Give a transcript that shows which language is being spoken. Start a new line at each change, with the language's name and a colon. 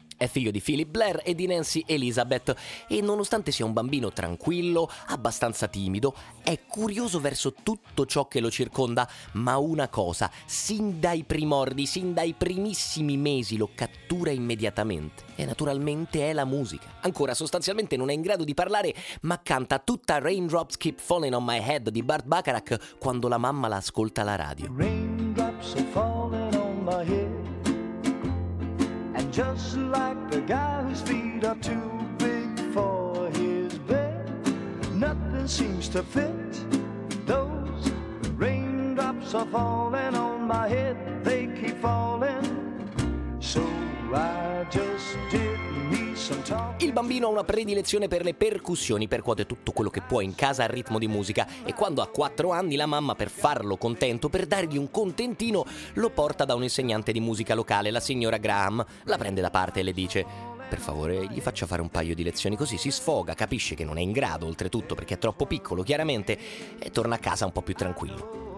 Italian: È figlio di Philip Blair e di Nancy Elizabeth e, nonostante sia un bambino tranquillo, abbastanza timido, è curioso verso tutto ciò che lo circonda, ma una cosa, sin dai primordi, sin dai primissimi mesi, lo cattura immediatamente. E naturalmente è la musica. Ancora, sostanzialmente non è in grado di parlare, ma canta tutta Raindrops Keep Falling on My Head di Burt Bacharach quando la mamma l'ascolta alla radio.
English: Raindrops are falling on my head. Just like the guy whose feet are too big for his bed. Nothing seems to fit. Those raindrops are falling on my head. They keep falling. So I just did me some talk.
Italian: Il bambino ha una predilezione per le percussioni, percuote tutto quello che può in casa al ritmo di musica, e quando ha 4 anni la mamma, per farlo contento, per dargli un contentino, lo porta da un insegnante di musica locale, la signora Graham. La prende da parte e le dice: per favore, gli faccia fare un paio di lezioni, così si sfoga, capisce che non è in grado, oltretutto perché è troppo piccolo, chiaramente, e torna a casa un po' più tranquillo.